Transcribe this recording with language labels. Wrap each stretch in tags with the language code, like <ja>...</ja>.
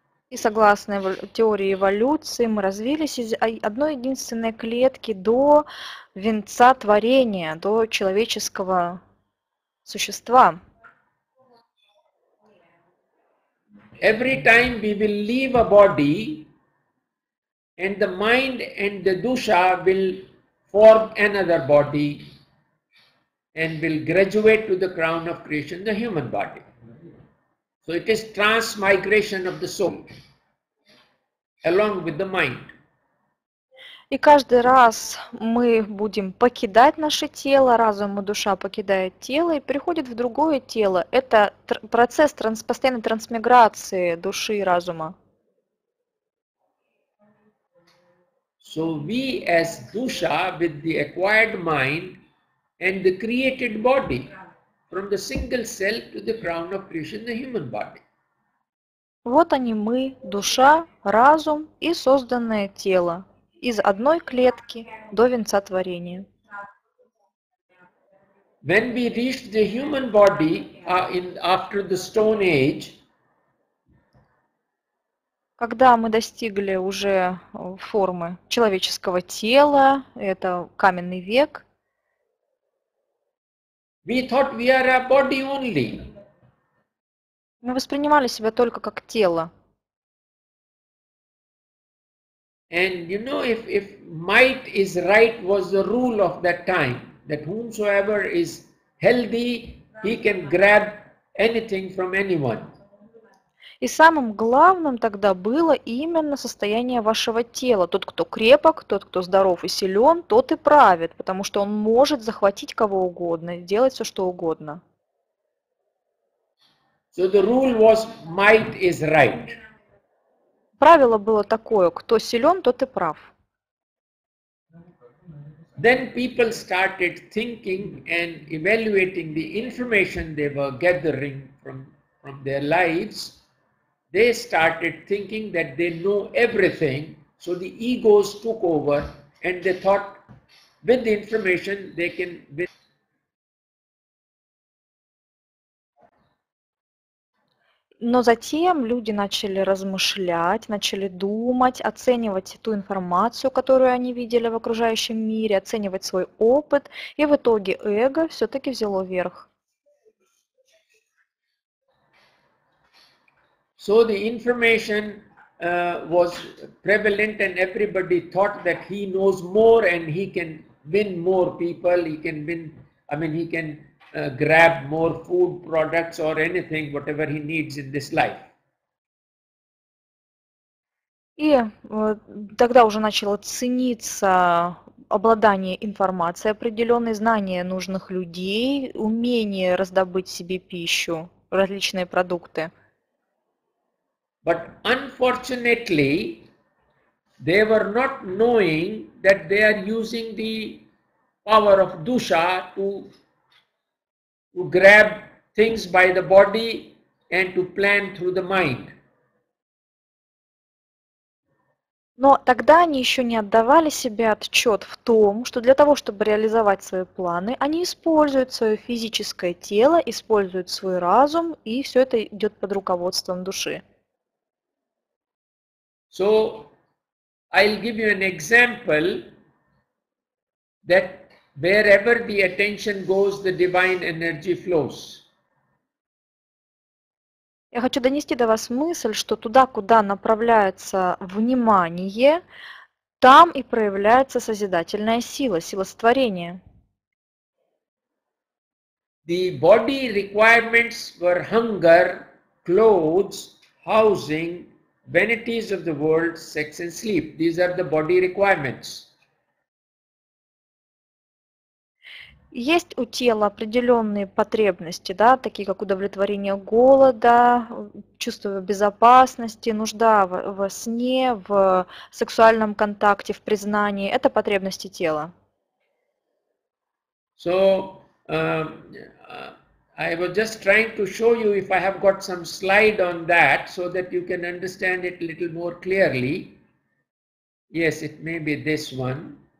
<ru>И согласно теории эволюции, мы развились из одной единственной клетки до венца творения, до человеческого существа.</ru> <en>Every time we will leave a body, and the mind and the dusha will form another body, and will graduate to the crown of creation, the human body. So it is transmigration of the soul along with the mind.</en> <ru>И каждый раз мы будем покидать наше тело, разум и душа покидает тело и приходит в другое тело. Это процесс постоянной трансмиграции души и разума.</ru> <en>So we as dusha with the acquired mind and the created body, from the single cell to the crown of creation, the human body.</en> <ru>Вот они мы, душа, разум и созданное тело. Из одной клетки до венца творения.</ru> <en>When we reach the human body after the Stone Age,</en> <ru>когда мы достигли уже формы человеческого тела, это каменный век,</ru> <en>we thought we are a body only.</en> <ru>Мы воспринимали себя только как тело.</ru> <en>And you know, if might is right was the rule of that time, that whomsoever is healthy, he can grab anything from anyone.</en> <ru>И самым главным тогда было именно состояние вашего тела. Тот, кто крепок, тот, кто здоров и силен, тот и правит, потому что он может захватить кого угодно, делать все, что угодно.</ru> <en>So the rule was might is right.</en> <ru>Правило было такое: кто силен, тот и прав.</ru> <en>Then people started thinking and evaluating the information they were gathering from their lives. They started thinking that they know everything, so the egos took over and they thought with the information they can win.</en> <ru>Но затем люди начали размышлять, начали думать, оценивать ту информацию, которую они видели в окружающем мире, оценивать свой опыт, и в итоге эго все-таки взяло верх.</ru> <en>So the information was prevalent and everybody thought that he knows more and he can win more people, grab more food products or anything, whatever he needs in this life.</en> <ru>И тогда уже начало цениться обладание информацией, определенные знания нужных людей, умение раздобыть себе пищу, различные продукты.</ru> <en>But unfortunately, they were not knowing that they are using the power of dusha to grab things by the body and to plan through the mind.</en> <ru>Но тогда они еще не отдавали себе отчет в том, что для того, чтобы реализовать свои планы, они используют свое физическое тело, используют свой разум, и все это идет под руководством души.</ru> <en>So, I'll give you an example that wherever the attention goes, the divine energy flows.</en> <ru>Я хочу донести до вас мысль, что туда, куда направляется внимание, там и проявляется созидательная сила, сила сотворения.</ru> <en>The body requirements were hunger, clothes, housing, vanities of the world, sex and sleep. These are the body requirements.</en> <ru>Есть у тела определенные потребности, да, такие как удовлетворение голода, чувство безопасности, нужда во сне, в сексуальном контакте, в признании. Это потребности тела.</ru> <en>So, I was just trying to show you if I have got some slide on that, so that you can understand it a little more clearly. Yes, it may be this one.</en>